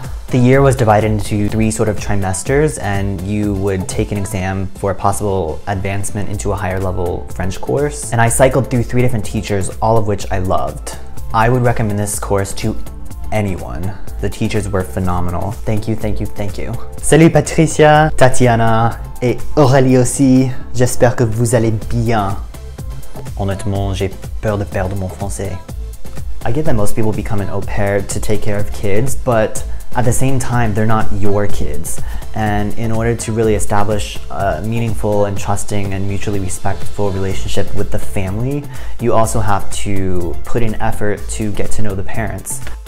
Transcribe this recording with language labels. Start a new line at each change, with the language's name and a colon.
English: The year was divided into three sort of trimesters, and you would take an exam for a possible advancement into a higher level French course. And I cycled through three different teachers, all of which I loved. I would recommend this course to anyone. The teachers were phenomenal. Thank you, thank you, thank you.
French: Salut Patricia, Tatiana, et Aurélie aussi. J'espère que vous allez bien. Honnêtement, j'ai peur de perdre mon français.
English: I get that most people become an au pair to take care of kids, but at the same time, they're not your kids. And in order to really establish a meaningful and trusting and mutually respectful relationship with the family, you also have to put in effort to get to know the parents.